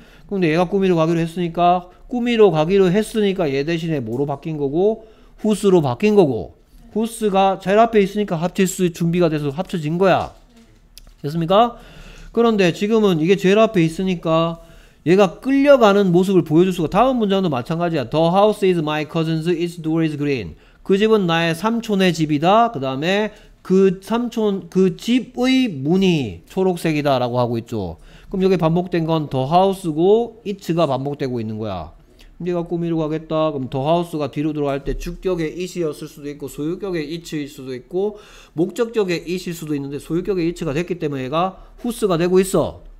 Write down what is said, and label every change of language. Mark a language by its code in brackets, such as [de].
[ko] 근데 얘가 꾸미러 가기로 했으니까 얘 대신에 뭐로 바뀐 거고? whose로 바뀐 거고 whose가 제일 앞에 있으니까 합칠 수 준비가 돼서 합쳐진 거야. 됐습니까? 그런데 지금은 이게 제일 앞에 있으니까 얘가 끌려가는 모습을 보여줄 수가. 다음 문장도 마찬가지야. [en] The house is my cousin's, its door is green. [ko] 그 집은 나의 삼촌의 집이다. 그 다음에 그 집의 문이 초록색이다 라고 하고 있죠. 그럼 여기 반복된 건 the house고 it가 반복되고 있는 거야. 얘가 꾸미러 가겠다. 그럼 the house가 뒤로 들어갈 때 주격의 it이었을 수도 있고 소유격의 it일 수도 있고 목적격의 it일 수도 있는데 소유격의 it가 됐기 때문에 얘가 whose가 되고 있어.